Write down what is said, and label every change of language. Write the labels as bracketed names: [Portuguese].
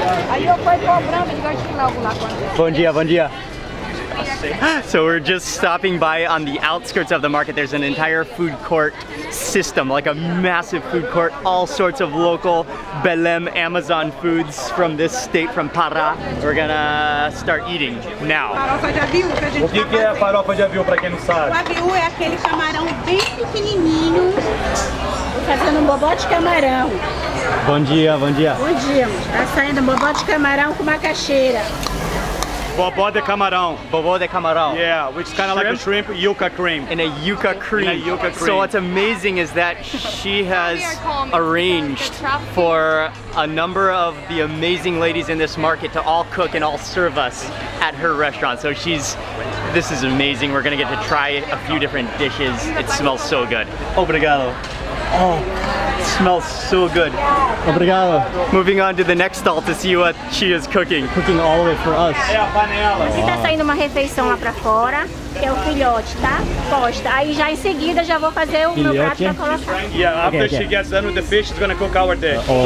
[Portuguese] Aí eu vou cobrando, eu acho que logo lá. Bom dia. [English] So we're just stopping by on the outskirts of the market. There's an entire food court system, like a massive food court, all sorts of local Belém Amazon foods from this state, from Pará. We're gonna start eating now. [Portuguese] Farofa de aviú, que a gente tá fazendo. O que é farofa de aviú, pra quem não sabe? O aviú é aquele camarão bem pequenininho, fazendo um bobó de camarão. Bom dia. Tá saindo um bobó de camarão com macaxeira. Bobó de camarão. [English] Yeah, which is kind of like a shrimp yuca cream. So what's amazing is that she has arranged for a number of the amazing ladies in this market to all cook and all serve us at her restaurant. This is amazing. We're gonna get to try a few different dishes. It smells so good. [Portuguese] Obrigado. [English] Oh, it smells so good. [Portuguese] Obrigado. [English] Moving on to the next stall to see what she is cooking. Cooking all of it for us. [Portuguese] É a panela. Você tá saindo uma refeição lá pra fora, que é o filhote, tá? Posta. Aí já em seguida já vou fazer o meu prato pra colocar. [English] Yeah, after okay. She gets done with the fish, she's gonna cook our dish.